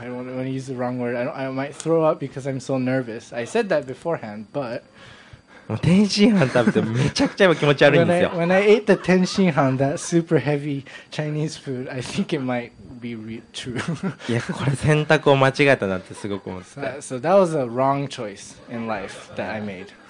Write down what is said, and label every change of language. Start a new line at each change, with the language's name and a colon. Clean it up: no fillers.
English: I don't want to use the wrong word. I might throw up because I'm so nervous. I said that beforehand, but.
Japanese: 天津飯食べてめちゃくちゃ気持ち悪いんですよ。
English: When I ate the 天津飯, that super heavy Chinese food, I think it might be true.
Japanese: いや、これ選択を間違えたなってすごく思って。
English: So that was a wrong choice in life that I made.